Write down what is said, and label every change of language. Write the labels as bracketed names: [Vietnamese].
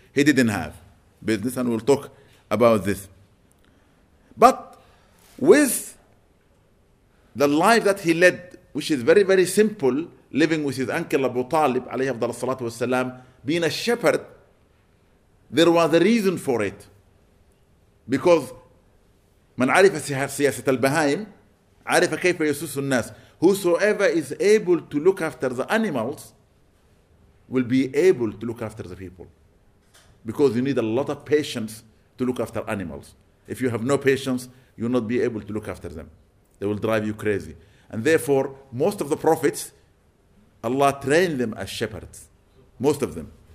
[English] He didn't have business, and we'll talk about this. But with the life that he led, which is very, very simple, living with his uncle Abu Talib, [Arabic] alayhi afdhalus salatu wassalam, [English] being a shepherd, there was a reason for it. [Arabic] Because من عرف سياسة البهائم عرف كيف يسوس الناس. [English] Whosoever is able to look after the animals will be able to look after the people. Because you need a lot of patience to look after animals. If you have no patience, you will not be able to look after them. They will drive you crazy. And therefore, most of the prophets, Allah trained them as shepherds. Most of them.